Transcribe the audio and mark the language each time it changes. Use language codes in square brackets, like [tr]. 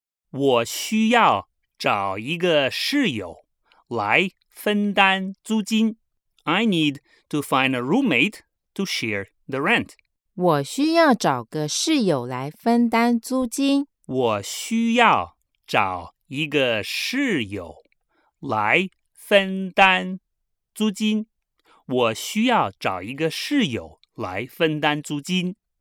[zh] 我需要找一个室友来分担租金 [en] I need to find a roommate to share the rent [zh] 我需要找个室友来分担租金。我需要找一个室友来分担租金。我需要找一个室友来分担租金。